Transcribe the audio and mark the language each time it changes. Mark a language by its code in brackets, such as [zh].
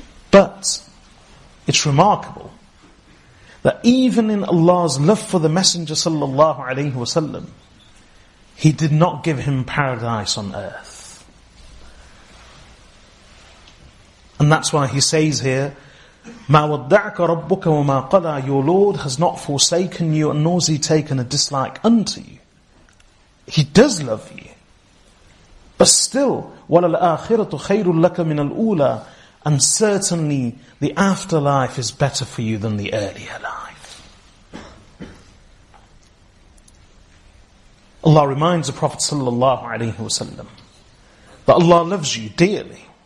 [en] But it's remarkable that even in Allah's love for the Messenger sallallahu alaihi wasallam, He did not give him paradise on earth. And that's why He says here, [ar] مَا وَدَّعَكَ رَبُّكَ وَمَا قَلَى. [en] Your Lord has not forsaken you, and nor has He taken a dislike unto you. He does love you. But still, [ar] وَلَلْآخِرَةُ خَيْرٌ لَكَ مِنَ الْأُولَى. [en] And certainly, the afterlife is better for you than the earlier life. Allah reminds the Prophet sallallahu alaihi wasallam that Allah loves you dearly.